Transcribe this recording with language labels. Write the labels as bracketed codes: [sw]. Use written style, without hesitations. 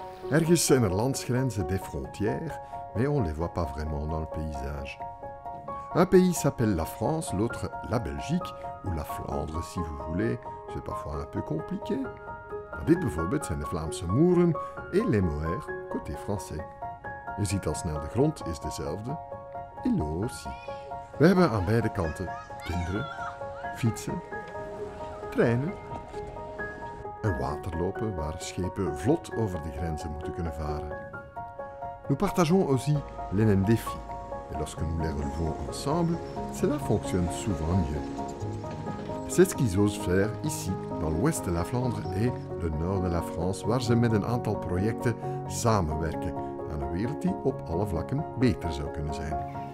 [nl] Ergens zijn er landsgrenzen, [fr] des frontières, mais on les voit pas vraiment dans le paysage. Un pays s'appelle la France, l'autre la Belgique, ou la Flandre si vous voulez, c'est parfois un peu compliqué. [nl] Maar dit bijvoorbeeld zijn de Vlaamse moeren [fr] et les moers côté français. [nl] Je ziet al snel, de grond is dezelfde, [fr] et l'eau aussi. [nl] We hebben aan beide kanten kinderen, fietsen, treinen, een waterlopen waar schepen vlot over de grenzen moeten kunnen varen. [fr] Nous partageons aussi les mêmes défis. Et lorsque nous les relevons ensemble, cela fonctionne souvent mieux. C'est ce qu'ils osent faire ici, dans l'ouest de la Flandre et le nord de la France, [nl] waar ze met een aantal projecten samenwerken aan een wereld die op alle vlakken beter zou kunnen zijn.